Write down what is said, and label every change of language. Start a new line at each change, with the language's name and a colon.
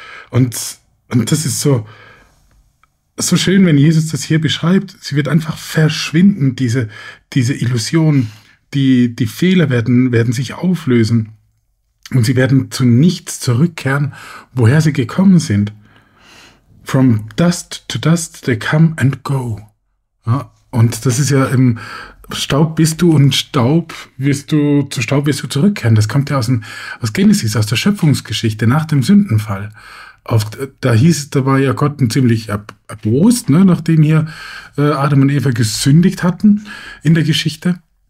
German: Und das ist so schön, wenn Jesus das hier beschreibt. Sie wird einfach verschwinden, diese Illusion. Die Fehler werden sich auflösen. Und sie werden zu nichts zurückkehren, woher sie gekommen sind.
English: From dust to dust, they come and go.
German: Ja, und das ist ja im Staub bist du und Staub wirst du, zu Staub wirst du zurückkehren. Das kommt ja aus Genesis, aus der Schöpfungsgeschichte nach dem Sündenfall. Da war ja Gott ein ziemlich erbost, ne, nachdem hier Adam und Eva gesündigt hatten in der Geschichte.